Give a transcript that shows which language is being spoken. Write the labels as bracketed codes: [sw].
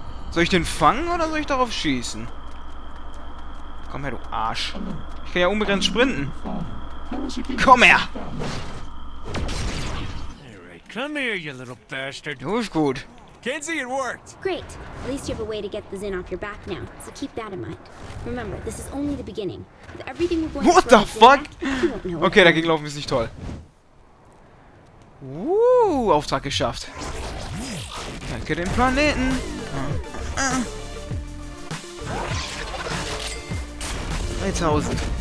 [de] Soll ich den fangen oder soll ich darauf schießen? Komm her, du Arsch. Ich kann ja unbegrenzt sprinten. Komm her! [en] Alright, come here, you little bastard. [de] Du bist gut. [en] Kenzie, it worked! Great. At least you have a way to get the Zin off your back now. So keep that in mind. Remember, this is only the beginning. With everything we're going what the fuck? [de] Okay, dagegen laufen ist nicht toll. Auftrag geschafft. Danke dem Planeten. Ah. 3000.